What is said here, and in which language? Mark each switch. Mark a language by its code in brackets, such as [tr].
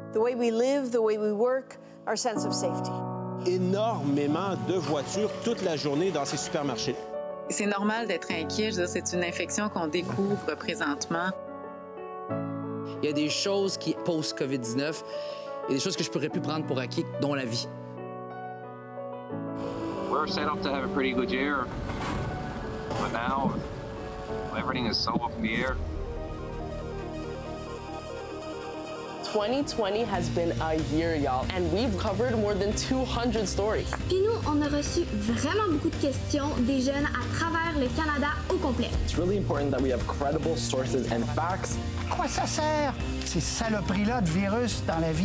[en] The way we live, the way we work, our sense of safety. [fr] Énormément de voitures toute la journée dans ces supermarchés. C'est normal d'être inquiet. Je veux dire, c'est une infection qu'on découvre présentement. Il y a des choses qui, post-COVID-19, il y a des choses que je ne pourrais plus prendre pour acquis, dont la vie. [en] We're set up to have a pretty good year. But now, everything is so up in the air. 2020 has been a year, y'all, and we've covered more than 200 stories. [fr] Puis nous, on a reçu vraiment beaucoup de questions des jeunes à travers le Canada au complet. [en] It's really important that we have credible sources and facts. [fr] À quoi ça sert, ces saloperies-là de virus dans la vie?